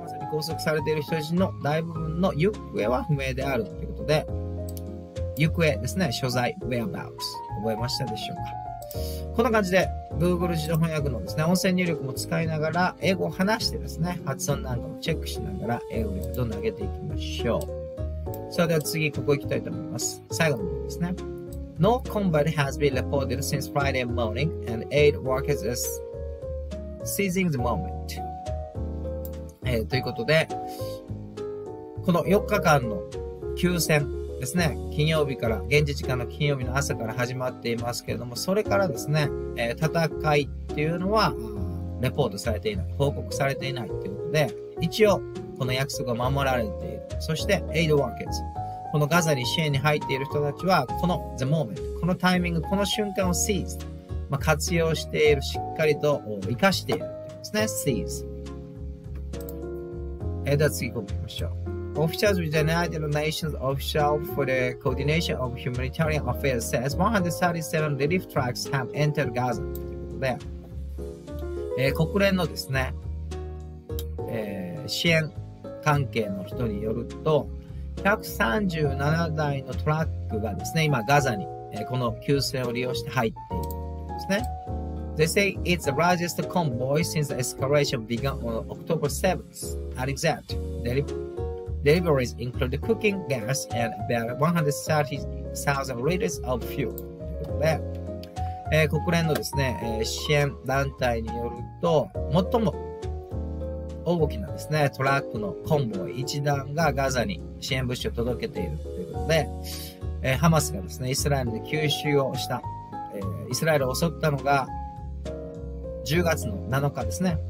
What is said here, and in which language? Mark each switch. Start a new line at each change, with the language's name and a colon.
Japanese: 拘束されている人質の大部分の行方は不明であるということで、行方ですね、所在、whereabouts、覚えましたでしょうか。こんな感じで、Google 自動翻訳のですね、音声入力も使いながら、英語を話してですね、発音なんかもチェックしながら、英語力を投げていきましょう。それでは次、ここ行きたいと思います。最後の部分ですね。
English: No combat has been reported since Friday morning, and aid workers are seizing the moment.
Japanese: ということで、この4日間の休戦ですね、金曜日から、現地時間の金曜日の朝から始まっていますけれども、それからですね、戦いっていうのは、レポートされていない、報告されていないということで、一応、この約束が守られている。そして、aid workers。このガザに支援に入っている人たちは、この the moment、 このタイミング、この瞬間を seize、まあ、活用している、しっかりと生かしているですね、 seize。では次行きましょう。
English: Officials with the United Nations Official for the Coordination of Humanitarian Affairs says 137 relief trucks have entered Gaza.
Japanese: で、国連のですね、支援関係の人によると、137台のトラックがですね、今ガザに、この救援を利用して入っているんですね。
English: They say it's the largest convoy since the escalation began on October 7th. And exact deliveries include the cooking gas and about 130,000 liters of fuel.
Japanese: で、国連のですね、支援団体によると、最も大きなですね、トラックのコンボイ一団がガザに支援物資を届けているということで、ハマスがですね、イスラエルで急襲をした、イスラエルを襲ったのが10月の7日ですね。